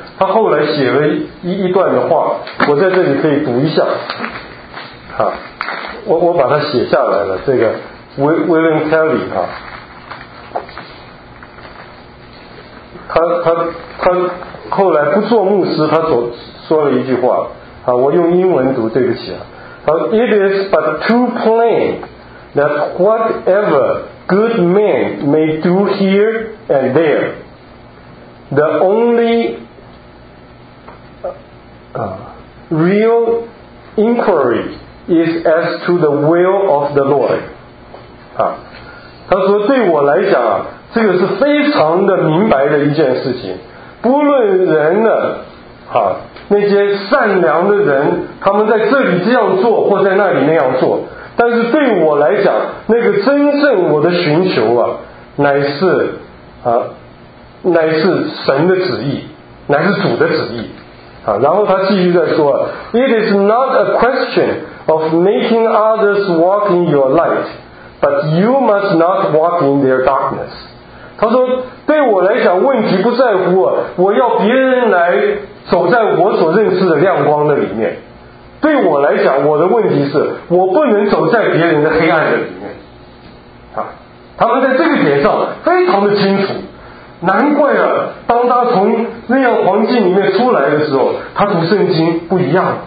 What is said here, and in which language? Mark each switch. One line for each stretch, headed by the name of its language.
Chinese: 他后来写了 一段的话，我在这里可以读一下啊，我把它写下来了。这个 William Kelly 哈，他后来不做牧师，他说了一句话啊，我用英文读，对不起啊。
English: It is but too plain that whatever good men may do here and there, the only real inquiry.
Chinese: Is as to the will of the Lord 啊，他说对我来讲啊，这个是非常的明白的一件事情。不论人呢啊，那些善良的人，他们在这里这样做或在那里那样做，但是对我来讲，那个真正我的寻求啊，乃是神的旨意，乃是主的旨意啊。
English: 然后他继续在说 It is not a questionOf making others walk in your light, but you must not walk in their darkness.
Chinese: 他说，对我来讲，问题不在乎我要别人来走在我所认识的亮光的里面。对我来讲，我的问题是我不能走在别人的黑暗的里面。啊，他们在这个点上非常的清楚。难怪啊，当他从那样环境里面出来的时候，他读圣经不一样。